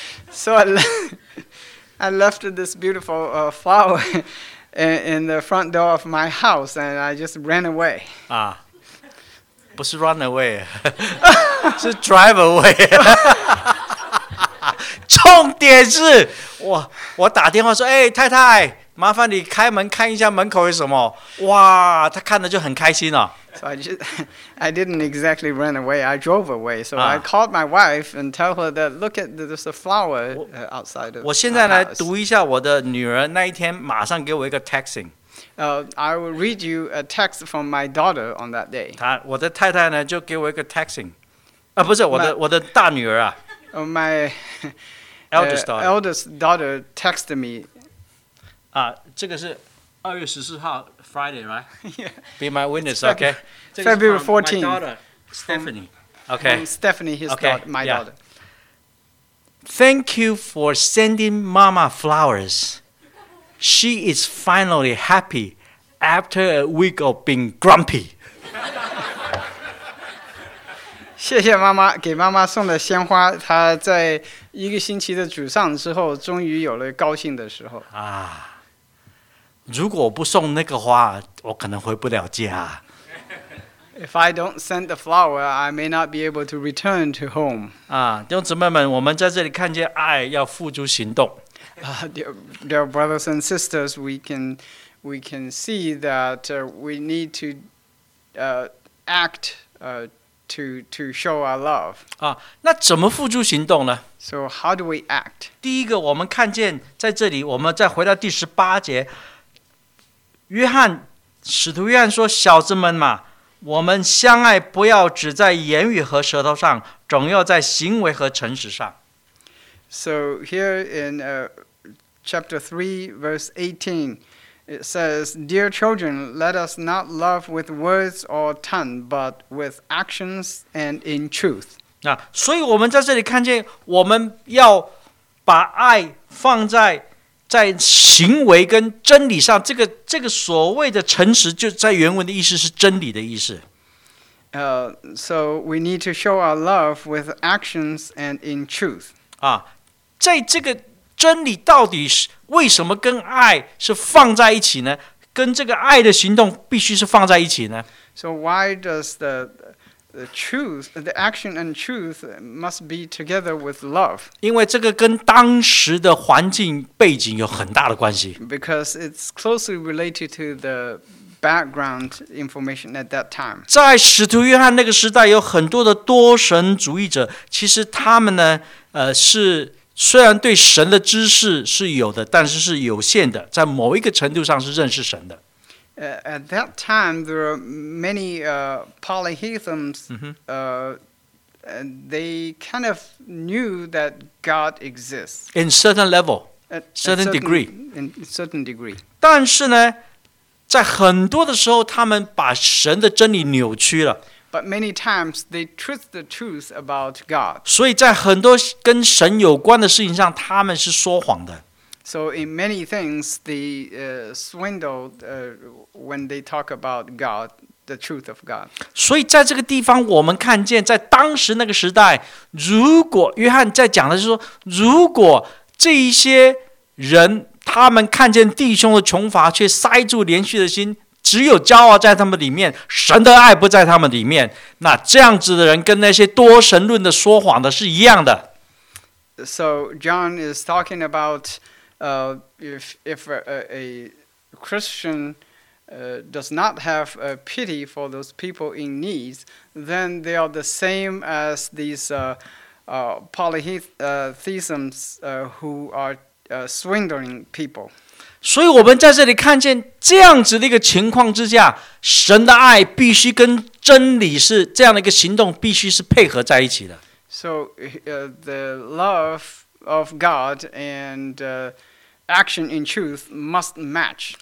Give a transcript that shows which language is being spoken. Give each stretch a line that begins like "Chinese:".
English: So I left this beautiful flower in the front door of my house and I just ran away.
Chinese: 不是
English: run away,
Chinese: 是
English: drive away.
Chinese: 重点是 我打电话说太太麻烦你开门看一下门口有什么。哇他看得就很开心哦。
English: So I didn't exactly run away. I drove away. So I called my wife and tell her that look at there's a flower outside of.
Chinese: 我现在来读一下我的女儿那一天马上给我一个 texting.
English: I will read you a text from my daughter on that day.
Chinese: 我的太太呢就给我一个 texting. 啊，不是我的我的大女儿啊。
English: My eldest daughter. Eldest daughter texted me.
Chinese: 啊，这个是二月十四号 ，
English: Friday, right? Yeah. Be my witness, okay? February 14th. Stephanie. Okay. Stephanie, his okay. daughter, my yeah. daughter. Thank you for sending Mama flowers. She is finally happy after a week of being grumpy.
Chinese: 谢谢妈妈给妈妈送的鲜花，她在一个星期的沮丧之后，终于有了高兴的时候。啊，如果我不送那个花，我可能回不了家。
English: If I don't send the flower, I may not be able to return to home.
Chinese: 啊，弟兄姊妹们，我们在这里看见爱要付诸行动。
English: Dear brothers and sisters, we can see that we need to act to show our love.
Chinese: 啊，那怎么付诸行动呢？
English: So how do we act?
Chinese: 第一个，我们看见在这里，我们再回到第十八节，约翰使徒约翰说：“小子们嘛。” 我们相爱不要只在言语和舌头上，总要在行为和诚实上。
English: So here in chapter 3, verse 18, it says, Dear children, let us not love with words or tongue, but with actions and in truth.
Chinese: 那所以我们在这里看见，我们要把爱放在行为跟真理上，这个所谓的诚实，就在原文的意思是真理的意思。
English: So we need to show our love with actions and in truth.
Chinese: 啊，在这个真理到底是为什么跟爱是放在一起呢？跟这个爱的行动必须是放在一起呢
English: ？So why does the truth, the action and truth must be together with love.
Chinese: 因为这个跟当时的环境背景有很大的关系。
English: Because it's closely related to the background information at that time.
Chinese: 在使徒约翰那个时代，有很多的多神主义者，其实他们呢，是虽然对神的知识是有的，但是是有限的，在某一个程度上是认识神的。
English: At that time, there are many polytheisms. They kind of knew that God exists in certain level, certain degree. In certain degree.
Chinese: 但是呢，在很多的时候，他们把神的真理扭曲了。
English: But many times they twist the truth about God.
Chinese: 所以在很多跟神有关的事情上，他们是说谎的。
English: So in many things, they swindled when they talk about God, the truth of God.
Chinese: 所以在这个地方，我们看见在当时那个时代，如果约翰在讲的是说，如果这一些人他们看见弟兄的穷乏，却塞住连续的心，只有骄傲在他们里面，神的爱不在他们里面，那这样子的人跟那些多神论的说谎的是一样的。
English: So John is talking about. If a Christian does not have a pity for those people in need, then they are the same as these polytheisms who are swindling people.
Chinese: 所以我们在这里看见这样子的一个情况之下，神的爱必须跟真理是这样的一个行动必须是配合在一起的。
English: So the love of God and action in truth must match.